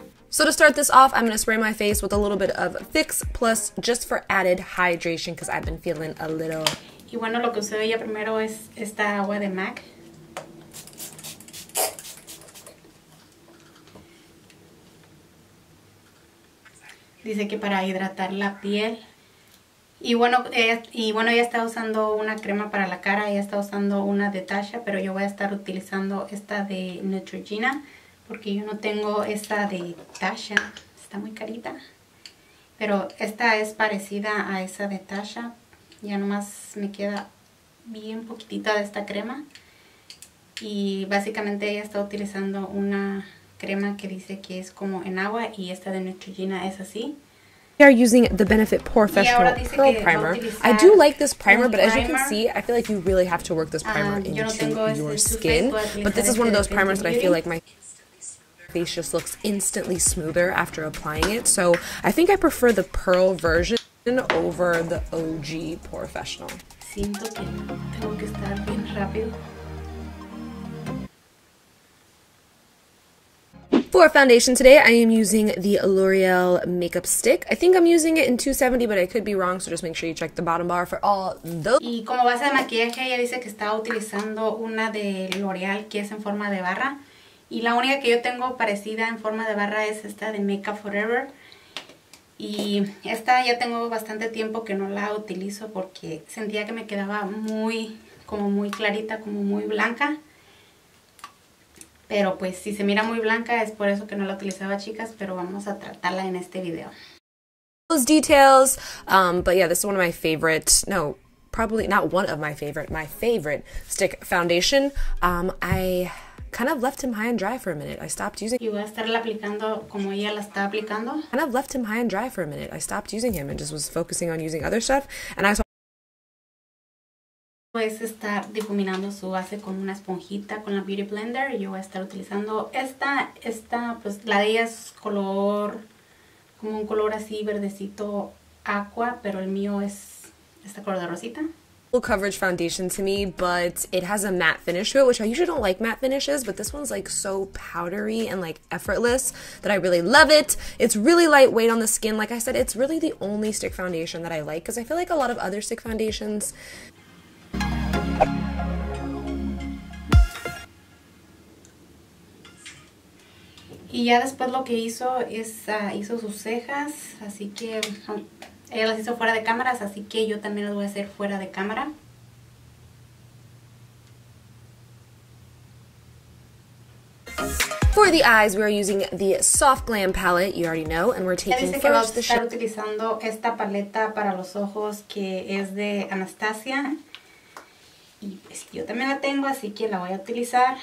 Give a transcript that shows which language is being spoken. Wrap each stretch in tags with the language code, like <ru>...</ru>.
<en>So to start this off, I'm going to spray my face with a little bit of Fix Plus just for added hydration because I've been feeling a little...</en> <es>Y bueno, lo que usé ella primero es esta agua de MAC. Dice que para hidratar la piel. Y bueno, ella está usando una crema para la cara. Ella está usando una de Tatcha. Pero yo voy a estar utilizando esta de Neutrogena. Porque yo no tengo esta de Tatcha. Está muy carita. Pero esta es parecida a esa de Tatcha. Ya nomás me queda bien poquitita de esta crema. Y básicamente ella está utilizando una... crema que dice que es como en agua y esta de Neutrogena es así.</es> <en>We are using the Benefit Professional Pearl Primer. I do like this primer, but as you can see, I feel like you really have to work this primer into your skin. But this is one of those primers that I feel like my face just looks instantly smoother after applying it. So I think I prefer the Pearl version over the OG Professional.</en> <es>Siento que tengo que estar bien rápido.</es> <en>For foundation today, I am using the L'Oreal Makeup Stick. I think I'm using it in 270, but I could be wrong, so just make sure you check the bottom bar for all those.</en> <es>Y como base de maquillaje, ella dice que está utilizando una de L'Oreal que es en forma de barra. Y la única que yo tengo parecida en forma de barra es esta de Make Up For Ever. Y esta ya tengo bastante tiempo que no la utilizo porque sentía que me quedaba muy, como muy clarita, como muy blanca. Pero pues si se mira muy blanca es por eso que no la utilizaba, chicas, pero vamos a tratarla en este video.</es> <en>Those details, but yeah, this is one of my favorite, no, probably not one of my favorite stick foundation. I kind of left him high and dry for a minute. I stopped using</en> <es>him. Y voy a estarla aplicando como ella la está aplicando.</es> <en>Kind of left him high and dry for a minute. I stopped using him and just was focusing on using other stuff. And I saw...</en> <es>Puedes estar difuminando su base con una esponjita con la Beauty Blender. Yo voy a estar utilizando esta. Esta, pues la de ella es color, como un color así verdecito aqua, pero el mío es este color de rosita.</es> <en>Full coverage foundation to me, but it has a matte finish to it, which I usually don't like matte finishes, but this one's like so powdery and like effortless that I really love it. It's really lightweight on the skin. Like I said, it's really the only stick foundation that I like because I feel like a lot of other stick foundations...</en> <es>Y ya después lo que hizo es hizo sus cejas, así que ella las hizo fuera de cámaras, así que yo también las voy a hacer fuera de cámara.</es> <en>For the eyes, we are using the Soft Glam palette, you already know, and we're taking first the shade.</en> <es>Dice que vamos a estar utilizando esta paleta para los ojos que es de Anastasia. Y yo también la tengo, así que la voy a utilizar.</es>